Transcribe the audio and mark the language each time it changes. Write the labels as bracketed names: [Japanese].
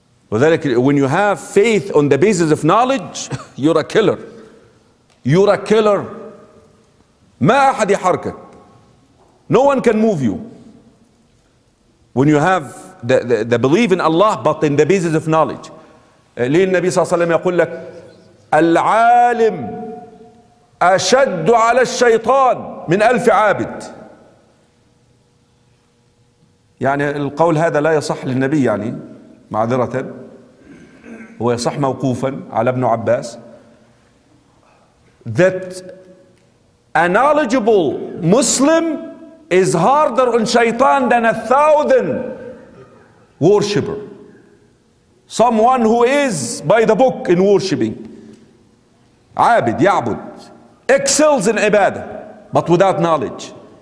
[English] When you have faith on the basis of knowledge, you're a killer. You're a killer. [Arabic] ما أحد يحركك. [English] No one can move you. When you have the belief in Allah, but in the basis of knowledge. [Arabic] ليه النبي صلى الله عليه وسلم يقول لك العالم أشد على الشيطان من ألف عابد. يعني القول هذا لا يصح للنبي يعني معذرة هو يصح موقوفا على ابن عباس. [English] That a knowledgeable Muslim is harder on Shaitan than a thousand worshipper. Someone who is by the book in worshipping. [Arabic] عابد يعبد [English] excels in عبادة but without knowledge.